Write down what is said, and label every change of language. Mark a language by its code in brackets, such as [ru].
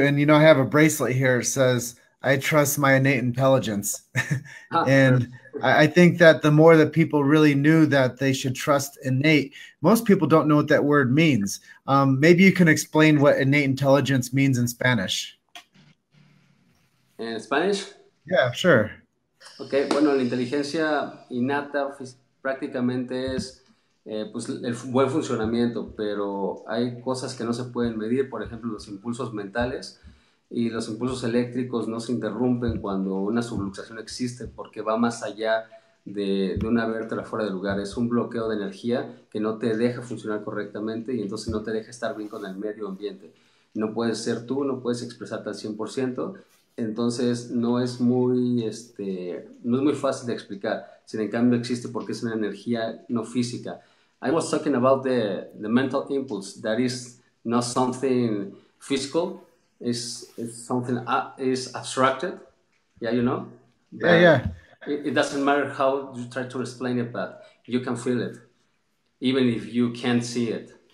[en] And you know, I have a bracelet here. It says, I trust my innate intelligence. And I think that the more that people really knew that they should trust innate, most people don't know what that word means. Maybe you can explain what innate intelligence means in Spanish. In Spanish? Yeah, sure. [es] Okay, bueno, la inteligencia innata prácticamente es pues el buen funcionamiento, pero hay cosas que no se pueden medir, por ejemplo, los impulsos mentales. Y los impulsos eléctricos no se interrumpen cuando una subluxación existe porque va más allá de una vértebra fuera de lugar. Es un bloqueo de energía que no te deja funcionar correctamente y entonces no te deja estar bien con el medio ambiente. No puedes ser tú, no puedes expresarte al 100%. Entonces no es muy, no es muy fácil de explicar. Sin embargo, existe porque es una energía no física. [en] I was talking about the mental impulse that is not something physical. is something is abstracted. Yeah, you know. Yeah, yeah. It doesn't matter how you try to explain it, but you can feel it, even if you can't see it.